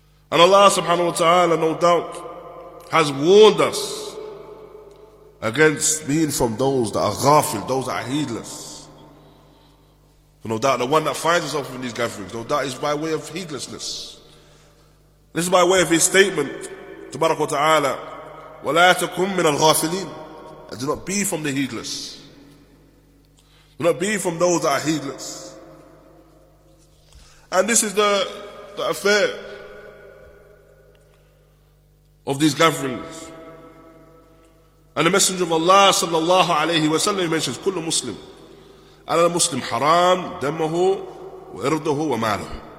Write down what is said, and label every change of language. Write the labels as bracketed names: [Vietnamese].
[English] And Allah subhanahu wa ta'ala, no doubt, has warned us against being from those that are ghafil, those that are heedless. So no doubt, the one that finds himself in these gatherings, no doubt, is by way of heedlessness. This is by way of his statement [Arabic] تبارك وتعالى ولا تكن من الغافلين. [English] And do not be from the heedless. Do not be from those that are heedless. And this is the affair of these gatherings. And the Messenger of Allah sallallahu alayhi wa sallam mentions, [Arabic] كل مسلم على المسلم حرام دمه وإرضه وماله.